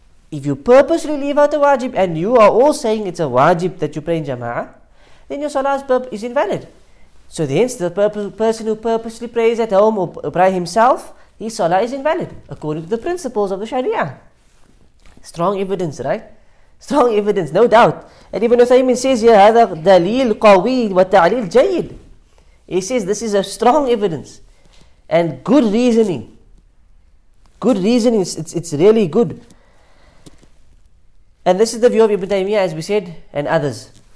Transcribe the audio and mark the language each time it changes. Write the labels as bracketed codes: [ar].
[en] If you purposely leave out a wajib and you are all saying it's a wajib that you pray in jama'ah, then your salah is invalid. So hence, the person who purposely prays at home or by himself, his salah is invalid according to the principles of the Sharia. Strong evidence, right? Strong evidence, no doubt. And even Uthaymin says here, [ar] هذا دليل قوي وتعليل جيد. [en] He says this is a strong evidence and good reasoning. Good reasoning, it's really good. And this is the view of Ibn Taymiyyah, as we said, and others.